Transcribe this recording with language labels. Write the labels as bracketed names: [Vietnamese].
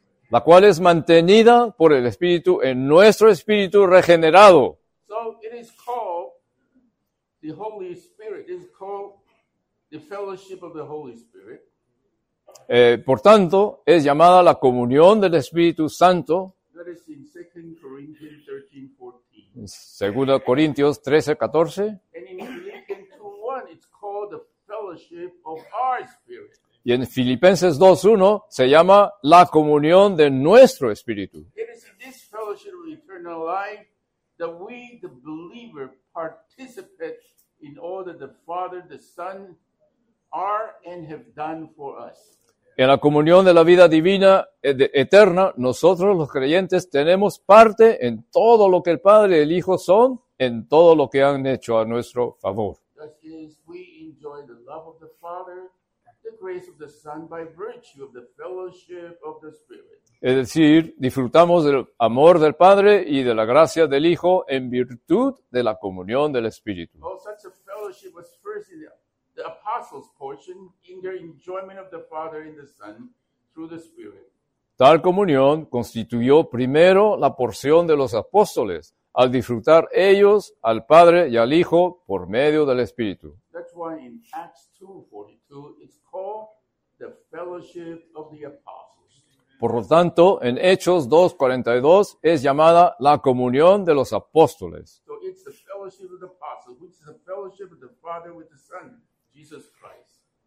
[Spanish] La cual es mantenida por el Espíritu en nuestro Espíritu regenerado. [English] So it is called the Holy Spirit. It is called the fellowship of the Holy Spirit. [Spanish] Por tanto, es llamada la comunión del Espíritu Santo. [English] That is in 2 Corinthians 13, 14. [Spanish] 2 Corintios 13, 14. [English] And in Philippians 2, 1, it's called the fellowship of our Spirit. [Spanish] Y en Filipenses 2:1 se llama la comunión de nuestro espíritu. [English] It is in this fellowship of eternal life that we, the believer, participate in all that the Father, the Son, are and have done for us. [Spanish] En la comunión de la vida divina eterna, nosotros los creyentes tenemos parte en todo lo que el Padre y el Hijo son, en todo lo que han hecho a nuestro favor. [English] That is, we enjoy the love of the Father, the grace of the Son by virtue of the fellowship of the Spirit. [Spanish] Es decir, disfrutamos del amor del Padre y de la gracia del Hijo en virtud de la comunión del Espíritu. [English] Well, such a fellowship was first in the apostles' portion in their enjoyment of the Father and the Son through the Spirit. [Spanish] Tal comunión constituyó primero la porción de los apóstoles al disfrutar ellos al Padre y al Hijo por medio del Espíritu. [English] That's why in Acts 2:42 it's called the fellowship of the apostles. [Spanish] Por lo tanto, en Hechos 2:42 es llamada la comunión de los apóstoles. [English] So it's the fellowship of the apostles, which is the fellowship of the Father with the Son, Jesus Christ.